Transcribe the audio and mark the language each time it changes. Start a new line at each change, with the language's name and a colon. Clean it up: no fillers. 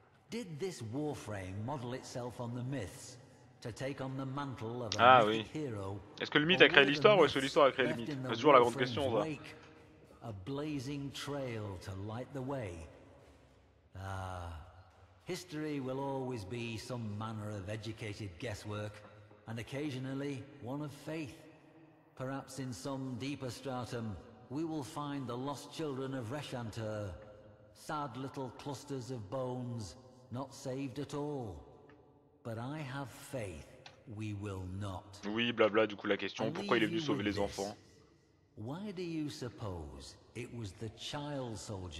English: Did this warframe model itself on the myths to take on the mantle of a hero?
French: Est-ce que le mythe a créé l'histoire ou est-ce que l'histoire a créé le mythe? C'est toujours la grande question ça.
English: A blazing trail to light the way. History will always be some manner of educated guesswork, and occasionally one of faith. Perhaps in some deeper stratum, we will find the lost children of Rechanteur. Sad little clusters of bones, not saved at all. But I have faith we will not.
French: Oui, blabla, du coup la question, pourquoi il est venu sauver les enfants?
English: Why do you suppose it was the child soldiers?